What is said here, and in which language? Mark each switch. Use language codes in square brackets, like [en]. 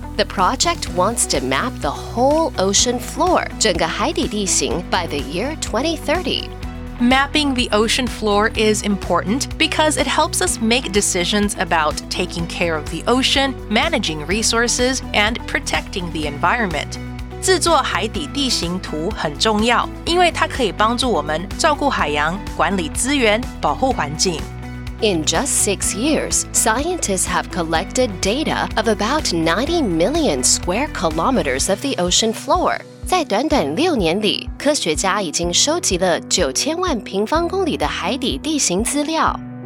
[en] The project wants to map the whole ocean floor, 整个海底地形, by the year 2030. Mapping the ocean floor is important because it helps us make decisions about taking care of the ocean, managing resources, and protecting the environment. [zh] 制作海底地形图很重要，因为它可以帮助我们照顾海洋、管理资源、保护环境。 [en] In just 6 years, scientists have collected data of about 90 million square kilometers of the ocean floor. [zh] 在短短六年里，科学家已经收集了九千万平方公里的海底地形资料。